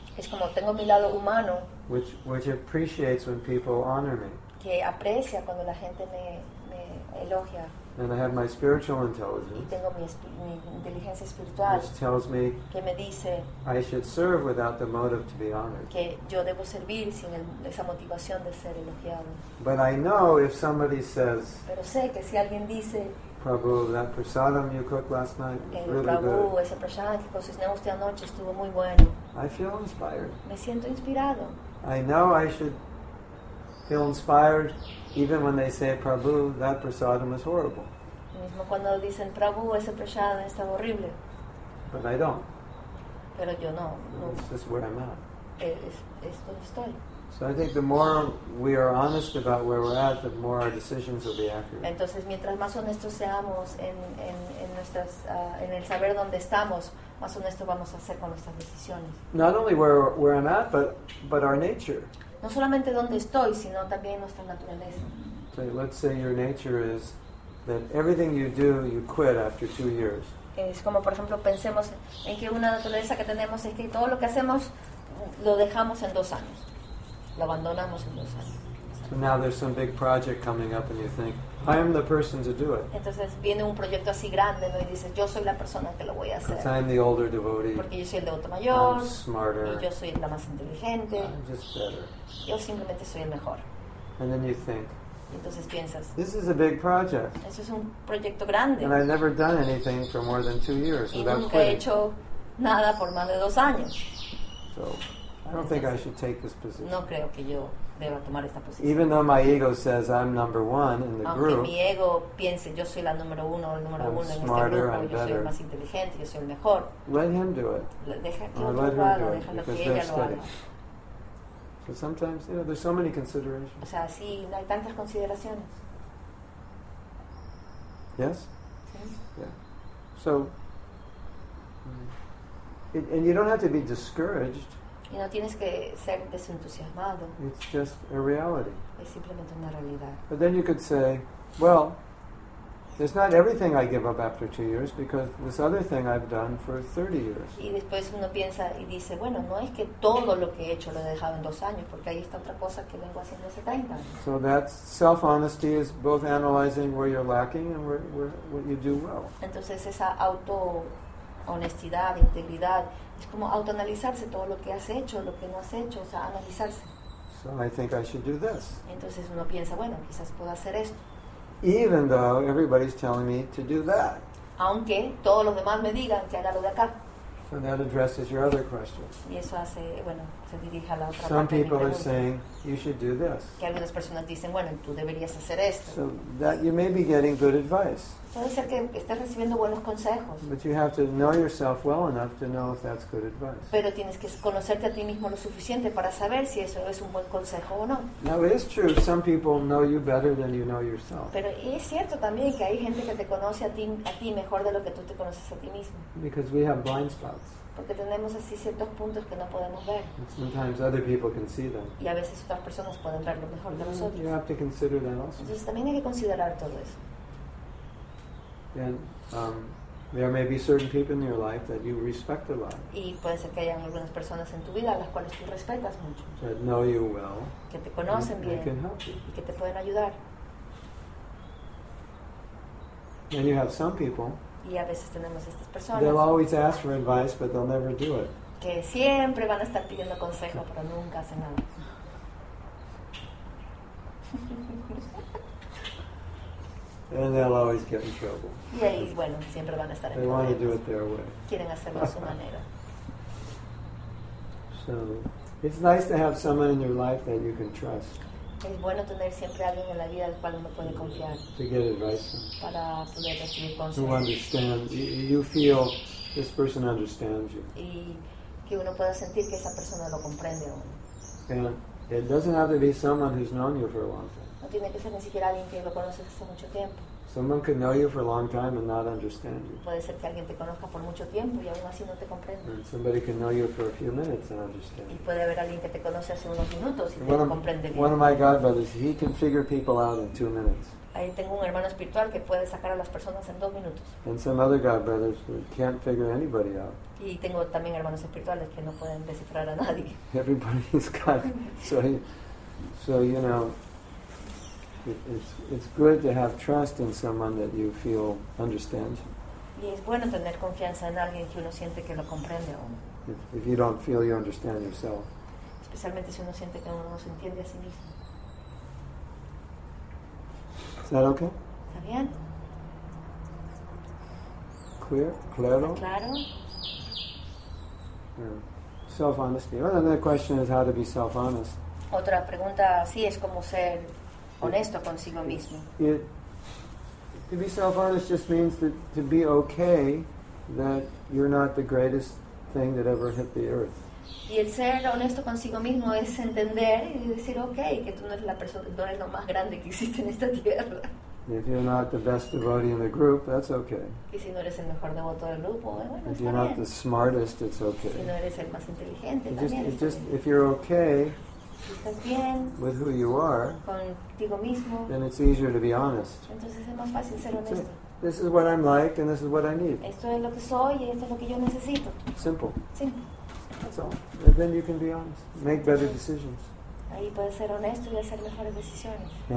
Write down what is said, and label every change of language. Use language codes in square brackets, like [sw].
[es] Es como tengo mi lado humano. [en] Which appreciates when people honor me. [es] Que aprecia cuando la gente me elogia. [en] And I have my spiritual intelligence. [es] Y tengo mi inteligencia espiritual. [en] Which tells me, [es] que me dice, [en] I should serve without the motive to be honored. [es] Que yo debo servir sin esa motivación de ser elogiado. [en] But I know if somebody says, [es] pero sé que si alguien dice, [en] Prabhu, that prasadam you cooked last night was really Prabhu, good. [es] Prabhu, ese prasadam que cociné usted anoche estuvo muy bueno. [en] I feel inspired. [es] Me siento inspirado. [en] I know I should feel inspired. Even when they say Prabhu, that prasadam is horrible. [es] Mismo cuando dicen Prabhu, ese prasadam está horrible. [en] But I don't. [es] Pero yo no. [en] This is where I'm at. [es] Es donde estoy. [en] So I think the more we are honest about where we're at, the more our decisions will be accurate. [es] Entonces, mientras más honestos seamos en nuestras en el saber dónde estamos, más honestos vamos a ser con nuestras decisiones. [en] Not only where I'm at, but our nature. [es] No solamente donde estoy, sino también nuestra naturaleza. [en] So let's say your nature is that everything you do, you quit after 2 years. [es] Es como, por ejemplo, pensemos en que una naturaleza que tenemos es que todo lo que hacemos lo dejamos en 2 años. Lo abandonamos en 2 años. [en] So now there's some big project coming up and you think, I am the person to do it. [es] Entonces viene un proyecto así grande, ¿no? Y dices, yo soy la persona que lo voy a hacer. [en] I'm the older devotee. [es] Porque yo soy el devoto mayor. [en] I'm smarter. [es] Y yo soy la más inteligente. [en] I'm just better. [es] Yo simplemente soy el mejor. [en] And then you think, [es] entonces piensas, [en] this is a big project. [es] Eso es un proyecto grande. [en] And I've never done anything for more than 2 years [es] y [en] without quitting. [es] Y nunca he hecho nada por más de 2 años. [en] So, I don't think I should take this position. [es] No creo que yo deba tomar esta posición. [en] Even though my ego says I'm number one in the group. [es] Aunque mi ego piense yo soy la número uno, el número uno en este grupo, yo soy el más inteligente, yo soy el mejor. [en] Let him do it. [es] Deja que ella lo haga. [en] So sometimes, you know, there's so many considerations. [es] O sea, sí, hay tantas consideraciones. [en] Yes. [es] Sí. [en] Yeah. So, and you don't have to be discouraged. [es] Y no tienes que ser desentusiasmado. [en] It's just a reality. [es] Es simplemente una realidad. [en] But then you could say, well, it's not everything I give up after 2 years because this other thing I've done for 30 years. [es] Y después uno piensa y dice, bueno, no es que todo lo que he hecho lo he dejado en 2 años porque hay esta otra cosa que vengo haciendo hace 30 años. [en] So that self-honesty is both analyzing where you're lacking and where what you do well. [es] Entonces esa honestidad, integridad, es como autoanalizarse todo lo que has hecho, lo que no has hecho, o sea, analizarse. [en] So I think I should do this. [es] Entonces uno piensa, bueno, quizás puedo hacer esto. [en] Even though everybody's telling me to do that. [es] Aunque todos los demás me digan que haga lo de acá. [en] So that addresses your other question. [es] Y eso hace, bueno, se dirige a la otra. [en] Some people are saying you should do this. [es] Que algunas personas dicen, bueno, tú deberías hacer esto. [en] So that you may be getting good advice. [es] Puede ser que estés recibiendo buenos consejos. [en] But you have to know yourself well enough to know if that's good advice. [es] Pero tienes que conocerte a ti mismo lo suficiente para saber si eso es un buen consejo o no. [en] Now it is true some people know you better than you know yourself. [es] Pero es cierto también que hay gente que te conoce a ti mejor de lo que tú te conoces a ti mismo. [en] Because we have blind spots. [es] Porque tenemos así ciertos puntos que no podemos ver. [en] And sometimes other people can see them. [es] Y a veces otras personas pueden verlo mejor de nosotros. [en] You have to consider that also. [es] Entonces también hay que considerar todo eso. [en] And there may be certain people in your life that you respect a lot. [es] Y puede ser que hayan algunas personas en tu vida a las cuales tú respetas mucho. [en] That know you well. [es] Que te conocen bien. [en] And can help you. [es] Y que te pueden ayudar. [en] And you have some people. [es] Y a veces tenemos estas personas. [en] They'll always ask for advice, but they'll never do it. [es] Que siempre van a estar pidiendo consejo, pero nunca hacen nada. [en] And they'll always get in trouble. [es] Yeah, bueno, siempre van a estar en [en] problemas. They want to do it their way. [es] Quieren hacerlo a su manera. [en] So, it's nice to have someone in your life that you can trust. [es] Es bueno tener siempre alguien en la vida al cual uno puede confiar. [en] To get advice from. [es] Para poder recibir consejos. [en] Who understands? You feel this person understands you. [es] Y que uno pueda sentir que esa persona lo comprende a uno. [en] And it doesn't have to be someone who's known you for a long time. [es] No tiene que ser ni siquiera alguien que lo conoce hace mucho tiempo. [en] Someone could know you for a long time and not understand you. [es] Puede ser que alguien te conozca por mucho tiempo y aún así no te comprenda. [en] And somebody can know you for a few minutes and understand. [es] Y puede haber alguien que te conoce hace unos minutos y te comprende bien. [en] One of my godbrothers, he can figure people out in 2 minutes. [es] Ahí tengo un hermano espiritual que puede sacar a las personas en 2 minutos. [en] And some other godbrothers can't figure anybody out. [es] Y tengo también hermanos espirituales que no pueden descifrar a nadie. [en] Everybody's got so you know. It's good to have trust in someone that you feel understands. [es] Y es bueno tener confianza en alguien que uno siente que lo comprende a uno. [en] If you don't feel you understand yourself. [es] Especialmente si uno siente que uno no se entiende a sí mismo. [en] Is that okay? [es] ¿Está bien? [en] Clear? [es] Claro? Claro. [en] Yeah. Self-honesty. Well, another question is how to be self-honest. [es] Otra pregunta así es cómo ser honesto consigo mismo. [en] To be self-honest just means that to be okay that you're not the greatest thing that ever hit the earth. [es] Y el ser honesto consigo mismo es entender y decir okay que tú no eres la persona, no eres lo más grande que existe en esta tierra. [en] If you're not the best devotee in the group, that's okay. [es] Y si no eres el mejor devoto del grupo, bueno, [en] if you're not the smartest, it's okay. [es] Si no eres el más inteligente, también. [en] Just if you're okay. [es] Estás bien [en] with who you are, [es] contigo mismo, [en] then it's easier to be honest. [es] Entonces es más fácil ser honesto. [en] So, this is what I'm like and this is what I need. [es] Esto es lo que soy y esto es lo que yo necesito. [en] Simple. That's all. And then you can be honest. Make better decisions. [es] Ahí puedes ser honesto y hacer mejores decisiones.